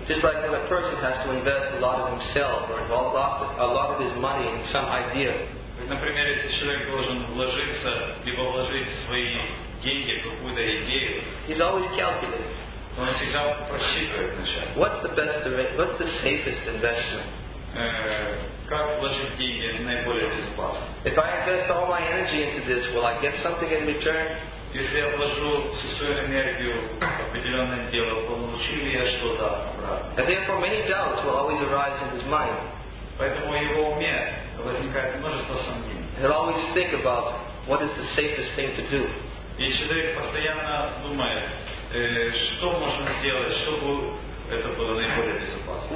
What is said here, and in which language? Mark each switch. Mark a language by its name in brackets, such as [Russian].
[English] Just like when a person has to invest a lot of himself or a lot of his money in some idea. [Russian] Например, если человек должен вложиться либо вложить свои деньги в какую-то идею, [English] he's always calculating. [Russian] Он всегда просчитывает вначале. [English] What's the safest investment? [Russian] Как вложить деньги наиболее безопасно? [English] If I invest all my energy into this, will I get something in return? [Russian] Если я вложу всю свою энергию в определенное дело, получу ли я что-то обратно? [English] And therefore, many doubts will always arise in his mind. [Russian] Поэтому в его уме возникает множество сомнений. [English] He'll always think about what is the safest thing to do. [Russian] И человек постоянно думает, что можно сделать, чтобы это было наиболее безопасно.